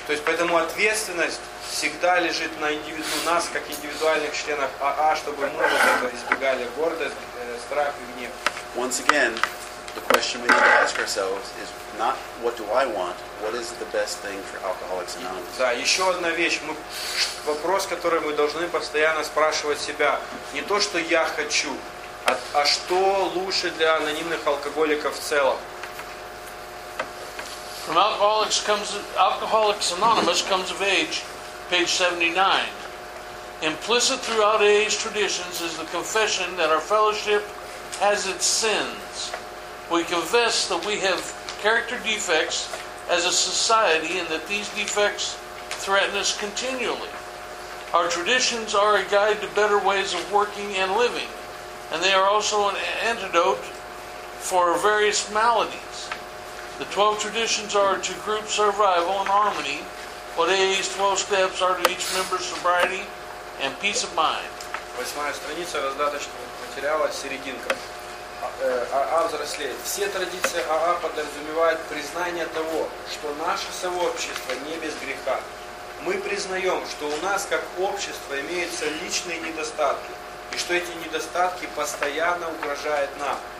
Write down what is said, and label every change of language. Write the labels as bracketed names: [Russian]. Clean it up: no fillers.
[Russian] То есть поэтому ответственность всегда лежит на нас, как индивидуальных членов АА, чтобы мы избегали гордость, страх и гнев. [English] Once again, the question we need to ask ourselves is not what do I want, what is the best thing for Alcoholics Anonymous? [Russian] Да, еще одна вещь. Вопрос, который мы должны постоянно спрашивать себя, не то, что я хочу, а что лучше для анонимных алкоголиков в целом. [English] From Alcoholics Anonymous comes of age. Page 79. Implicit throughout AA's traditions is the confession that our fellowship has its sins. We confess that we have character defects as a society and that these defects threaten us continually. Our traditions are a guide to better ways of working and living, and they are also an antidote for our various maladies. The 12 traditions are to group survival and harmony. What AA's 12 steps are to each member's sobriety and peace of mind. [Russian] Восьмая страница раздаточного материала, серединка. АА взрослеет. Все традиции АА подразумевают признание того, что наше сообщество не без греха. Мы признаем, что у нас как общество имеются личные недостатки, и что эти недостатки постоянно угрожают нам.